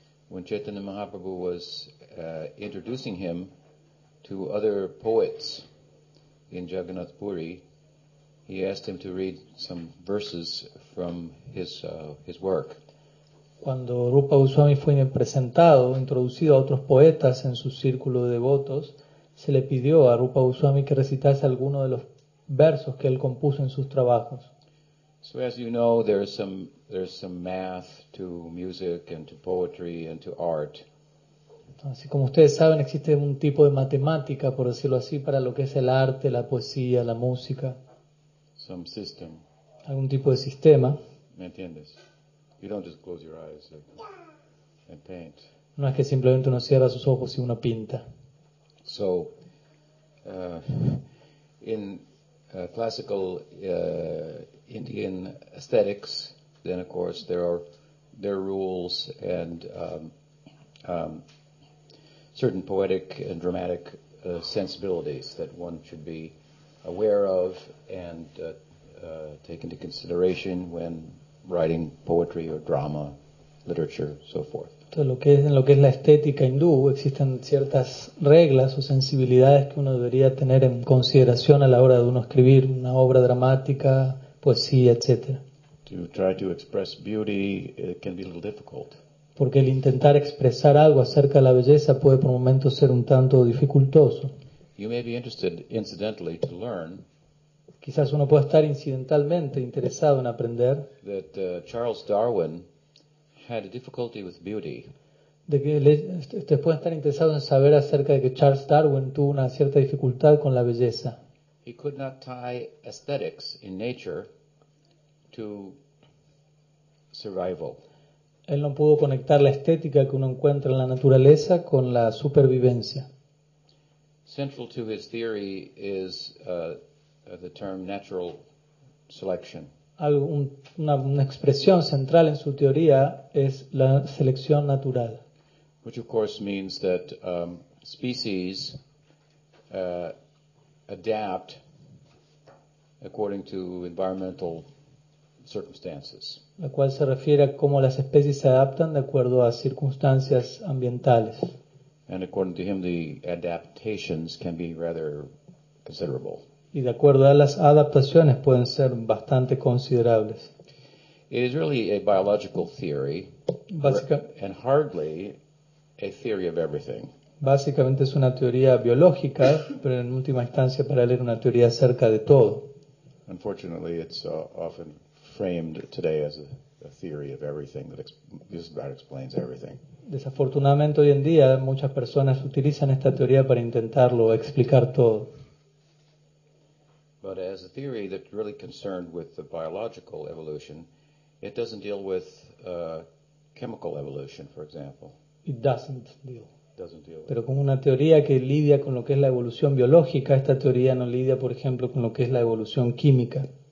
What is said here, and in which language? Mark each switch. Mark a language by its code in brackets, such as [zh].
[en] When Chaitanya Mahaprabhu was introducing him to other poets in Jagannath Puri, he asked him to read some verses from his work. [es] Cuando Rupa Goswami fue presentado, introducido a otros poetas en su círculo de devotos, se le pidió a Rupa Goswami que recitase alguno de los versos que él compuso en sus trabajos. [en] So as you know, there's some math to music and to poetry and to art. [es] Así como ustedes saben, existe un tipo de matemática, por decirlo así, para lo que es el arte, la poesía, la música. [en] Some system. [es] Algún tipo de sistema. ¿Me entiendes? [en] You don't just close your eyes and paint. [es] No es que simplemente uno cierra sus ojos y uno pinta. [en] So, in classical Indian aesthetics, then of course there are rules and certain poetic and dramatic sensibilities that one should be aware of and take into consideration when writing poetry or drama, literature, so forth. [es] Entonces, lo que es la estética hindú, existen ciertas reglas o sensibilidades que uno debería tener en consideración a la hora de uno escribir una obra dramática, poesía, etc. [en] To try to express beauty, it can be a little difficult. [es] Porque el intentar expresar algo acerca de la belleza puede por momentos ser un tanto dificultoso. [en] You may be interested, incidentally, to learn. [es] Quizás uno pueda estar incidentalmente interesado en aprender. [en] That Charles Darwin had a difficulty with beauty. [es] De que ustedes pueden estar interesados en saber acerca de que Charles Darwin tuvo una cierta dificultad con la belleza. [en] He could not tie aesthetics in nature to survival. [es] Él no pudo conectar la estética que uno encuentra en la naturaleza con la supervivencia. [en] Central to his theory is the term natural selection. [es] Una expresión central en su teoría es la selección natural. [en] Which of course means that species adapt according to environmental circumstances. [es] La cual se refiere a cómo las especies se adaptan de acuerdo a circunstancias ambientales. [en] And according to him, the adaptations can be rather considerable. [es] Y de acuerdo a las adaptaciones pueden ser bastante considerables. [en] It is really a biological theory, and hardly a theory of everything. [es] Básicamente es una teoría biológica, pero en última instancia para leer una teoría acerca de todo. [en] Unfortunately, it's often framed today as a theory of everything that just about explains everything. [es] Desafortunadamente hoy en día muchas personas utilizan esta teoría para intentarlo explicar todo. [en] But as a theory that really concerned with the biological evolution, it doesn't deal with chemical evolution, for example. It doesn't deal with. [es] Pero como una teoría que lidia con lo que es la evolución biológica, esta teoría no lidia, por ejemplo, con lo que es la evolución química.